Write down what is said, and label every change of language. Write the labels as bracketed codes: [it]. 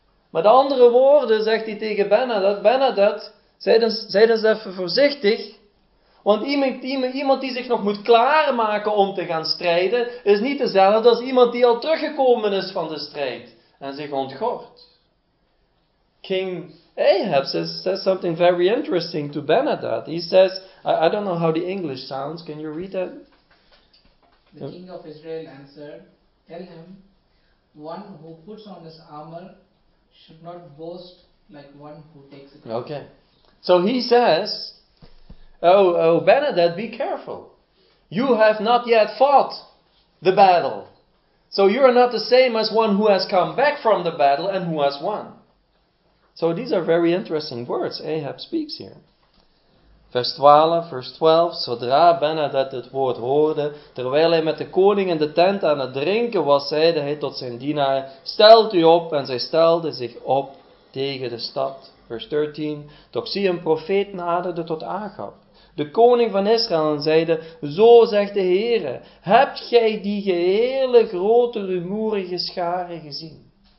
[nl] Met andere woorden, zegt hij tegen Ben-Hadad, Ben-Hadad, zij dan even voorzichtig. Want iemand die zich nog moet klaarmaken om te gaan strijden, is niet dezelfde als iemand die al teruggekomen is van de strijd en zich ontgort. [en] King Ahab says something very interesting to Ben-Hadad. He says, I don't know how the English sounds. Can you read that? The king of Israel answered, tell him, one who puts on his armor should not boast like one who takes it. Okay. So he says, Oh, Ben-Hadad, be careful. You have not yet fought the battle. So you are not the same as one who has come back from the battle and who has won. So these are very interesting words Ahab speaks here. [nl] Vers 12. Zodra Ben-Hadad het woord hoorde, terwijl hij met de koning in de tent aan het drinken was, zeide hij tot zijn dienaar, stelt u op, en zij stelde zich op tegen de stad. Vers 13. Toch zie een profeet naderde tot Achab, de koning van Israël, en zeide, zo zegt de Heere, hebt gij die gehele grote rumoerige scharen gezien?